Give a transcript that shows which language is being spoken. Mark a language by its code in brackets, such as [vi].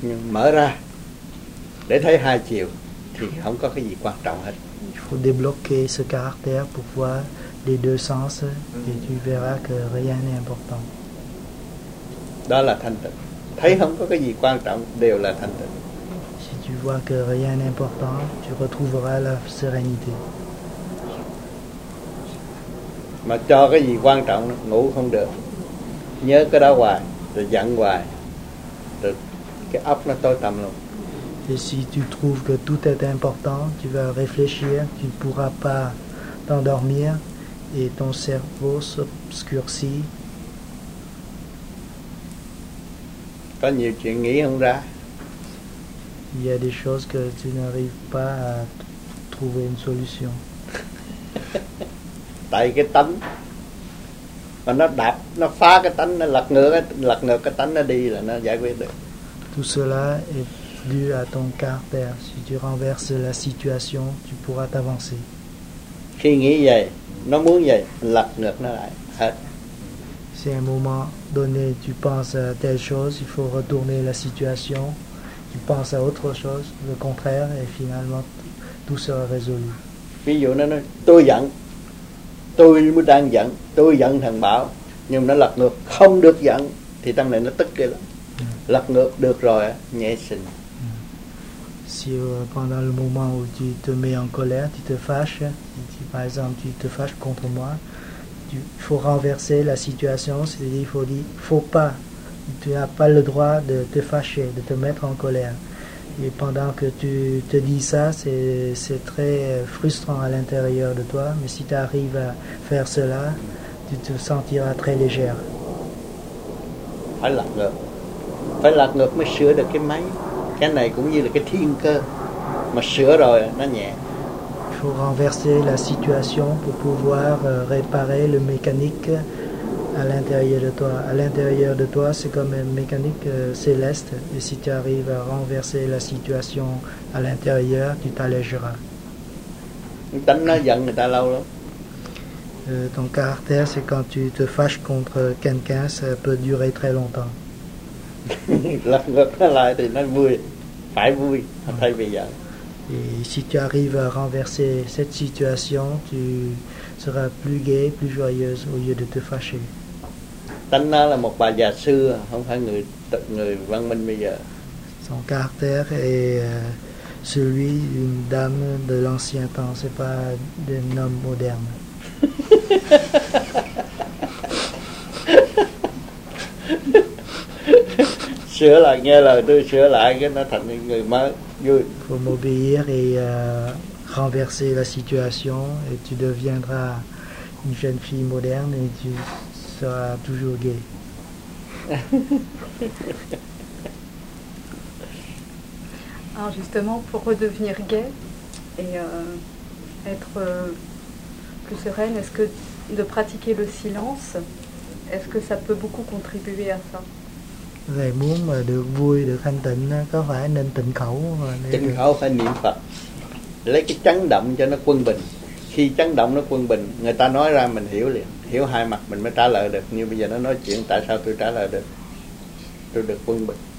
[vi] Mở ra để thấy hai chiều thì không có cái gì quan trọng hết. [fr] Faut débloquer ce caractère pour voir les deux sens et tu verras que rien n'est important. [vi] Đó là thanh tịnh. Thấy không có cái gì quan trọng đều là thanh tịnh. [fr] Si tu vois que rien n'est important, tu retrouveras la sérénité. [vi] Mà cho cái gì quan trọng ngủ không được, nhớ cái đó hoài rồi giận hoài. [fr] Et si tu trouves que tout est important, tu vas réfléchir, tu ne pourras pas t'endormir et ton cerveau s'obscurcit. [vi] Có nhiều chuyện nghĩ không ra. [fr] Il y a des choses que tu n'arrives pas à trouver une solution. [vi] Tại cái tánh. Mà nó đạp, nó phá cái tánh, nó lật ngược cái tánh nó đi là nó giải quyết được. [fr] Tout cela est dû à ton caractère. Si tu renverses la situation, tu pourras t'avancer. [vi] Khi nghĩ vậy, nó muốn vậy, lật ngược nó lại. Hết. [fr] Si à un moment donné, tu penses à telle chose, il faut retourner la situation. Tu penses à autre chose, le contraire, et finalement, tout sera résolu. [vi] Ví dụ nó nói, tôi giận. Tôi đang giận, tôi giận thằng Bảo. Nhưng nó lật ngược, không được giận. Thì tâm này nó tức kia lắm. Lật ngược được rồi, nhẹ xình. [fr] Si pendant le moment où tu te mets en colère, tu te fâches, si par exemple tu te fâches contre moi, il faut renverser la situation, c'est-à-dire il faut dire, faut pas, tu n'as pas le droit de te fâcher, de te mettre en colère. Et pendant que tu te dis ça, c'est très frustrant à l'intérieur de toi, mais si tu arrives à faire cela, tu te sentiras très légère. [vi] Phải lật ngược. Phải lật ngược mới sửa được cái máy. Cái này cũng như là cái thiên cơ. Mà sửa rồi nó nhẹ. [fr] Il faut renverser la situation pour pouvoir réparer le mécanique à l'intérieur de toi. À l'intérieur de toi, c'est comme une mécanique céleste. Et si tu arrives à renverser la situation à l'intérieur, tu t'allégeras. Ton caractère, c'est quand tu te fâches contre quelqu'un, ça peut durer très longtemps. Et si tu arrives à renverser cette situation, tu seras plus gaie, plus joyeuse au lieu de te fâcher. Son caractère est celui d'une dame de l'ancien temps, c'est pas d'un homme moderne. [vi] Sửa lại nghe lời tôi sửa lại cái nó thành người mới vui. [fr] Faut m'obéir et renverser la situation et tu deviendras une jeune fille moderne et tu seras toujours gay. Alors justement pour redevenir gay et être plus sereine, est-ce que de pratiquer le silence, est-ce que ça peut beaucoup contribuer à ça? [vi] Thầy muốn mà được vui, được thanh tịnh, có phải nên tịnh khẩu không? Tịnh khẩu phải niệm Phật, lấy cái chấn động cho nó quân bình. Khi chấn động nó quân bình, người ta nói ra mình hiểu liền, hiểu hai mặt mình mới trả lời được. Như bây giờ nó nói chuyện, tại sao tôi trả lời được? Tôi được quân bình.